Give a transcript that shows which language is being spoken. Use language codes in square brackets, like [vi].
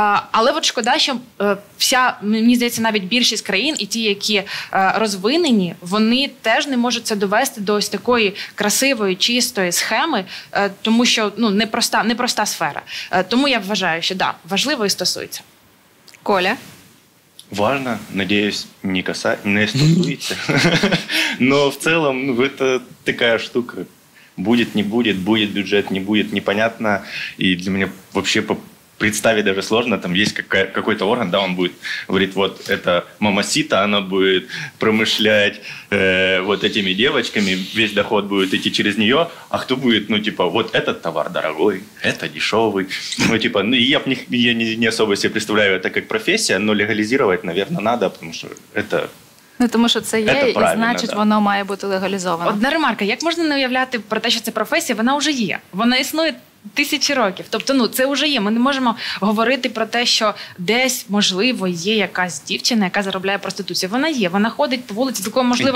[uk] Але от шкода, що вся, мені здається, навіть більшість країн і ті, які розвинені, вони теж не можуть це довести до ось такої красивої, чистої схеми, тому що ну, непроста сфера. Тому я вважаю, що да, важливо і стосується. Коля? [ru] Важно, надеюсь, [uk] не стосується. Но в цілому, ну, це така штука. [ru] Будет, не будет, будет бюджет, не будет, непонятно. И для меня вообще представить даже сложно. Там есть какой-то орган, да, он будет, говорит, вот это мамасита, она будет промышлять вот этими девочками, весь доход будет идти через нее. А кто будет, ну, типа, вот этот товар дорогой, это дешевый. Ну, типа, ну, я не особо себе представляю это как профессия, но легализировать, наверное, надо, потому что это... [uk] Не тому, що це є, це і значить, да. Воно має бути легалізовано. Одна ремарка. Як можна не уявляти про те, що це професія? Вона вже є. Вона існує тисячі років. Тобто, ну, це вже є. Ми не можемо говорити про те, що десь, можливо, є якась дівчина, яка заробляє проституцію. Вона є. Вона ходить по вулиці, такого можливо,